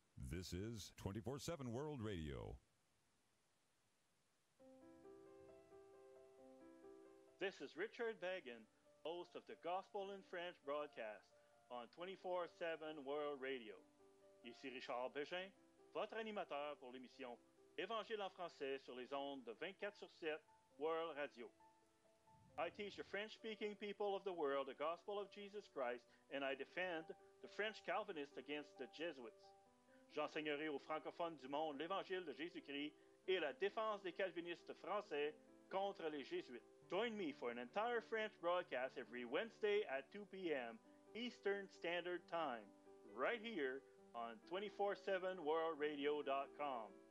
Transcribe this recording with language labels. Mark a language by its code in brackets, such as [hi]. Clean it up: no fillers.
[en] This is 24/7 World Radio. This is Richard Bagan, host of the Gospel in French broadcast on 24/7 World Radio. [fr] Ici Richard Bégin, votre animateur pour l'émission Évangile en français sur les ondes de 24/7 World Radio. [en] I teach the French-speaking people of the world the gospel of Jesus Christ, and I defend the French Calvinists against the Jesuits. [fr] J'enseignerai aux francophones du monde l'Évangile de Jésus-Christ et la défense des Calvinistes français contre les Jésuites. [en] Join me for an entire French broadcast every Wednesday at 2 p.m. Eastern Standard Time, right here on 247worldradio.com.